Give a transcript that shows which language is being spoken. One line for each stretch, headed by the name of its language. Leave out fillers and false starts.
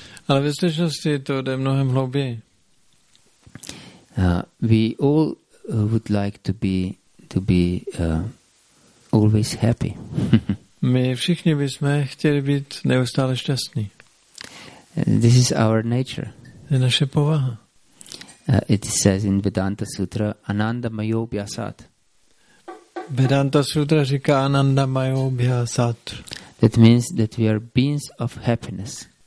Czech: Ale ve skutečnosti to jde mnohem hlouběji.
English: We all would like to be always happy.
Czech: My všichni bychom chtěli být neustále šťastní.
English: This is our nature.
Czech: Je naše povaha.
English: It says in Vedanta Sutra,
Sanskrit: Ananda Mayo Bhyasat.
Czech: Vedanta Sutra říká
Sanskrit: Ananda Mayo Bhyasat.
English: That means that we are beings of happiness.